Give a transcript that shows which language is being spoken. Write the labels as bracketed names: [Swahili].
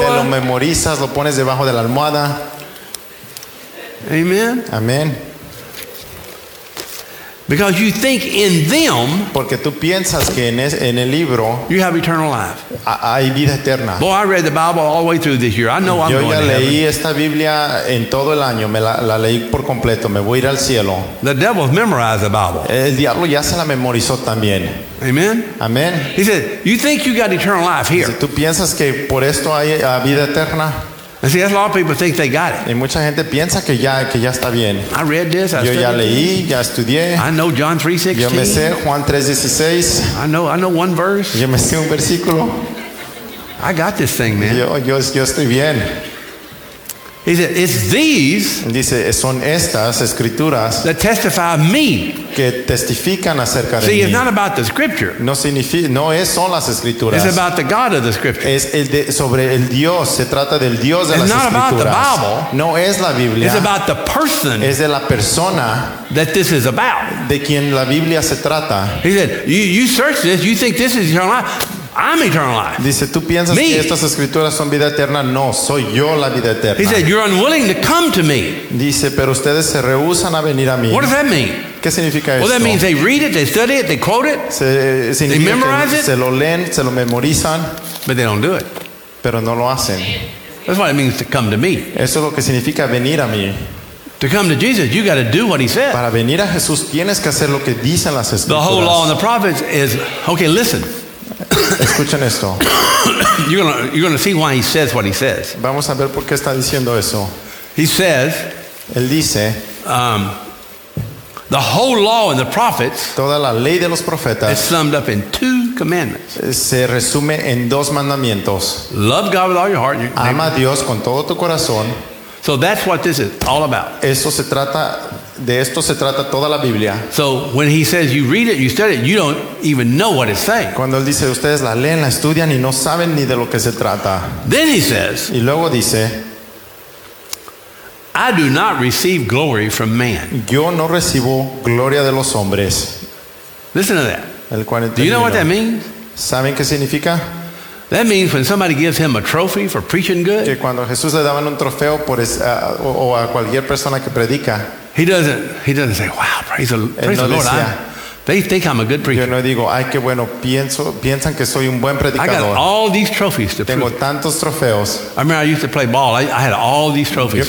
[Spanish] Te lo memorizas. Lo pones debajo de la almohada. [English] Amen. Amen. Because you think in them, [Spanish] porque tú piensas que en el libro, [English] you have eternal life. [Spanish] Hay vida eterna. [English] Boy, I read the Bible all the way through this year. I know [Spanish] yo [English] I'm going to heaven. [Spanish] Yo ya leí esta Biblia en todo el año. Me la leí por completo. Me voy a ir al cielo. [English] The devil's memorized the Bible. [Spanish] El diablo ya se la memorizó también. [English] Amen. Amen. He said, "You think you got eternal life here?" [Spanish] Tú piensas que por esto hay vida eterna. [English] And see, that's a lot of people think they got it. [Spanish] Y mucha gente piensa que ya está bien. [English] I read this. [Spanish] Yo ya leí, ya estudié. [English] I know John 3:16. [Spanish] Yo me sé Juan 3:16. [English] I know one verse. [Spanish] Yo me sé un versículo. [English] I got this thing, man. [Spanish] Yo estoy bien. [English] He said, "It's these." [Spanish] Dice, son estas escrituras [English] that testify of me. [Spanish] Que testifican acerca de mí. [English] See, it's not about the scripture. [Spanish] No son las escrituras. [English] It's about the God of the scripture. [Spanish] Es el de, sobre el Dios. Se trata del Dios de [English] it's [Spanish] las escrituras. [English] About the Bible. [Spanish] No es la Biblia. [English] It's about the person. [Spanish] Es de la persona. [English] That this is about. [Spanish] De quien la Biblia se trata. [English] He said, "You search this. You think this is your life." I'm eternal life. [Spanish] Dice, tú piensas que estas escrituras son vida eterna. No, soy yo la vida eterna. [English] He said, "You're unwilling to come to me." [Spanish] Dice, pero ustedes se rehúsan a venir a mí. [English] What does that mean? [Spanish] ¿Qué significa esto? [English] Well, that means they read it, they study it, they quote it, they memorize it. [Spanish] Se lo leen, se lo memorizan. [English] But they don't do it. [Spanish] Pero no lo hacen. [English] That's what it means to come to me. [Spanish] Eso es lo que significa venir a mí. [English] To come to Jesus, you got to do what he said. [Spanish] Para venir a Jesús, tienes que hacer lo que dicen las escrituras. [English] The whole law and the prophets is, okay, listen. [Spanish] Escuchen esto. [English] You're gonna see why he says what he says. [Spanish] Vamos a ver por qué está diciendo eso. [English] He says, [Spanish] él dice, [English] the whole law and the prophets, [Spanish] toda la ley de los profetas, [English] is summed up in two commandments. [Spanish] Se resume en dos mandamientos. [English] Love God with all your heart. [Spanish] Ama a Dios con todo tu corazón. [English] So that's what this is all about. [Spanish] Eso se trata. De esto se trata toda la Biblia. [English] So when he says you read it, you study it, you don't even know what it's saying. [Spanish] Cuando él dice ustedes la leen, la estudian y no saben ni de lo que se trata. [English] Then he says. [Spanish] Y luego dice, [English] I do not receive glory from man. [Spanish] Yo no recibo gloria de los hombres. [English] Listen to that. [Spanish] El 49. [English] Do you know what that means? [Spanish] ¿Saben qué significa? [English] That means when somebody gives him a trophy for preaching good. [Spanish] Que cuando Jesús le daban un trofeo por o a cualquier persona que predica. [English] He doesn't say, "Wow, praise the Lord." [Spanish] Decía, [English] they think I'm a good preacher. [Spanish] Yo no digo, "Ay, qué bueno, piensan que soy un buen predicador." [English] I got all these trophies to [Spanish] tengo [English] prove. [Spanish] Tantos trofeos. [English] I mean, I used to play ball. I had all these trophies.